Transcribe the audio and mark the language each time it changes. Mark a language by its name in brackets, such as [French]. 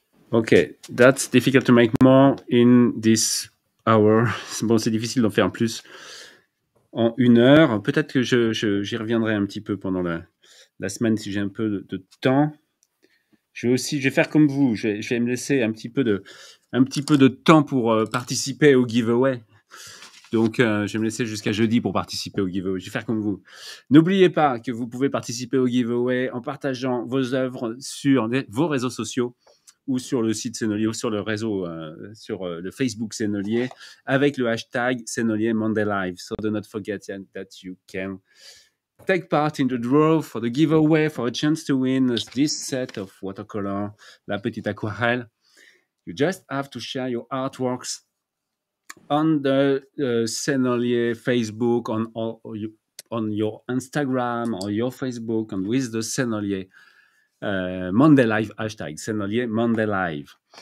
[English] Okay, that's difficult to make more in this hour. [French] Bon, c'est difficile d'en faire plus en une heure. Peut-être que j'y reviendrai un petit peu pendant la semaine si j'ai un peu de temps. Je vais faire comme vous. Je vais me laisser un petit peu de temps pour participer au giveaway. Donc, je vais me laisser jusqu'à jeudi pour participer au giveaway. Je vais faire comme vous. N'oubliez pas que vous pouvez participer au giveaway en partageant vos œuvres sur vos réseaux sociaux ou sur le site Sennelier, ou sur le réseau, sur le Facebook Sennelier, avec le hashtag Sennelier Monday Live. [English] So do not forget that you can take part in the draw for the giveaway, for a chance to win this set of watercolor, la petite aquarelle. You just have to share your artworks on the Sennelier Facebook, on your Instagram, on your Facebook, and with the Sennelier Monday Live hashtag, Sennelier Monday Live.